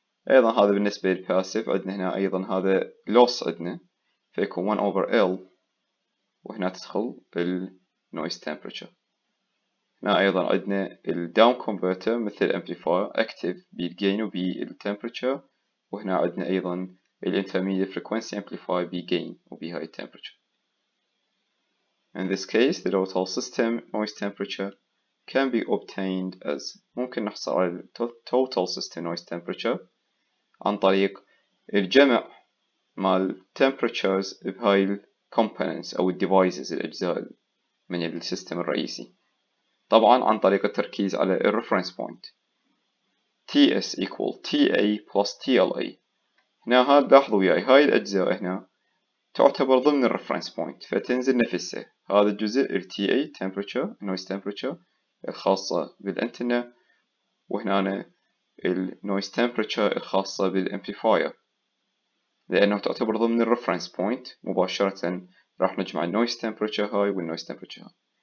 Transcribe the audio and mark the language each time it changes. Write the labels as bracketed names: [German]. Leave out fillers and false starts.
[Arabic] أيضا هذا بالنسبة لل passive عندنا هنا أيضا هذا loss عندنا فيكون 1 over L وهنا تدخل ال noise temperature. هنا أيضا عندنا ال down converter مثل amplifier active بي gain وبي ال temperature وهنا عندنا أيضا ال intermediate frequency amplifier بي gain وبي high temperature. [English] In this case, the total system noise temperature can be obtained as [Arabic] ممكن نحصل على total system noise temperature عن طريق الجمع مال temperatures بهاي components أو devices الأجزاء من السيستم الرئيسي. طبعا عن طريق التركيز على reference point [English] TS equal TA plus TLA. [Arabic] هنا هاد لاحظوا وياي هاي الأجزاء هنا تعتبر ضمن reference point فتنزل نفسه. هذا الجزء الـ TA temperature noise temperature الخاصة بالأنتنة وهنا الـ noise temperature الخاصة بالامبليفاير لأنه تعتبر ضمن الـ reference point مباشرة راح نجمع الـ noise temperature هاي والـ noise temperature هاي.